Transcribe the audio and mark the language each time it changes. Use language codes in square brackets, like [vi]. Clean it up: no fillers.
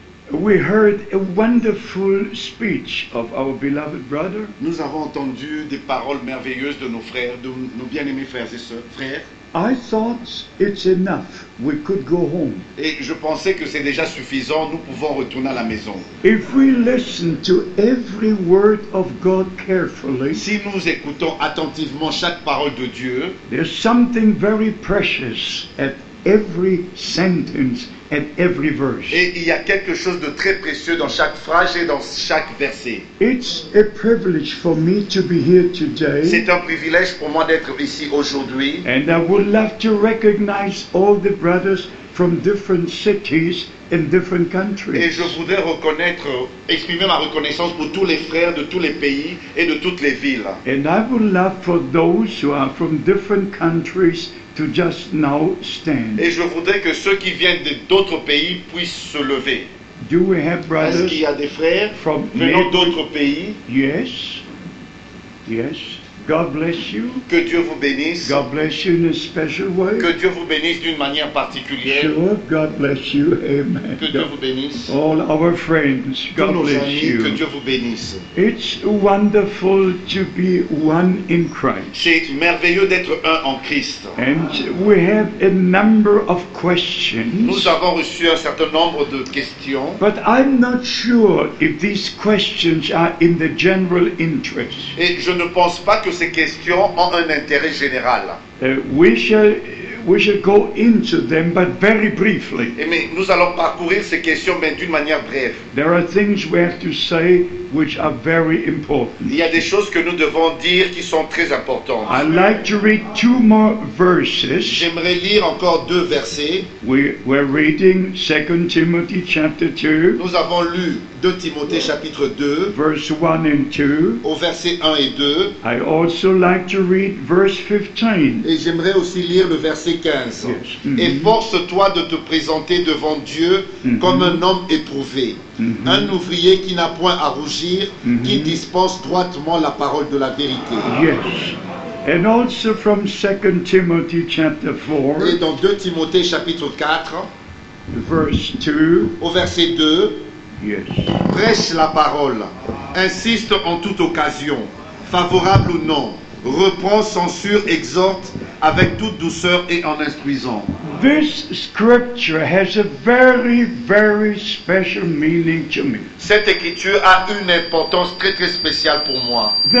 [en] We heard a wonderful speech of our beloved brother. [fr] Nous avons entendu des paroles merveilleuses de nos frères, de nos bien-aimés frères et sœurs. Frères. [en] I thought it's enough. We could go home. [fr] Et je pensais que c'est déjà suffisant. Nous pouvons retourner à la maison. [en] If we listen to every word of God carefully, [fr] si nous écoutons attentivement chaque parole de Dieu, [en] there's something very precious at every sentence, at every verse. [fr] Et il y a quelque chose de très précieux dans chaque phrase et dans chaque verset. [en] It's a privilege for me to be here today. [fr] C'est un privilège pour moi d'être ici aujourd'hui. [en] And I would love to recognize all the brothers from different cities in different countries. [fr] Et je voudrais reconnaître, exprimer ma reconnaissance pour tous les frères de tous les pays et de toutes les villes. [en] And I would love for those who are from different countries to just now stand. [fr] Et je voudrais que ceux qui viennent d'autres pays puissent se lever. [en] Do we have brothers? [fr] Est-ce qu'il y a des frères venant d'autres pays? [en] Yes. Yes. God bless you. [fr] Que Dieu vous bénisse. [en] God bless you in a special way. [fr] Que Dieu vous bénisse d'une manière particulière. [en] Sure, God bless you. Amen. [fr] Que Dieu vous bénisse. [en] All our friends. God bless you. [fr] Que Dieu vous bénisse. [en] It's wonderful to be one in Christ. [fr] C'est merveilleux d'être un en Christ. [en] And we have a number of questions. [fr] Nous avons reçu un certain nombre de questions. [en] But I'm not sure if these questions are in the general interest. [fr] Et je ne pense pas que ces questions ont un intérêt général. [en] We shall go into them, but very briefly. [fr] Mais nous allons parcourir ces questions, mais d'une manière brève. [en] There are things we have to say which are very important. [fr] Il y a des choses que nous devons dire qui sont très importantes. [en] I'd like to read two more verses. [fr] J'aimerais lire encore deux versets. [en] We're reading 2 Timothy chapter 2. [fr] Nous avons lu 2 Timothée chapitre 2. [en] Verse 1 and 2. [fr] Au verset 1 et 2. [en] I also like to read verse 15. [fr] Et j'aimerais aussi lire le verset 15. [en] Yes. Mm-hmm. [fr] Efforce-toi de te présenter devant Dieu mm-hmm. comme un homme éprouvé. Mm-hmm. Un ouvrier qui n'a point à rougir, mm-hmm. qui dispense droitement la parole de la vérité. [en] Yes. And also from 2 Timothy chapter 4. [fr] Et dans 2 Timothée chapitre 4. [en] Verse 2. [fr] Au verset 2. [en] Yes. [fr] Prêche la parole. Insiste en toute occasion, favorable ou non. Reprends, censure, exhorte avec toute douceur et en instruisant. [en] This scripture has a very, very special meaning to me. [fr] Cette écriture a une importance très, très spéciale pour moi.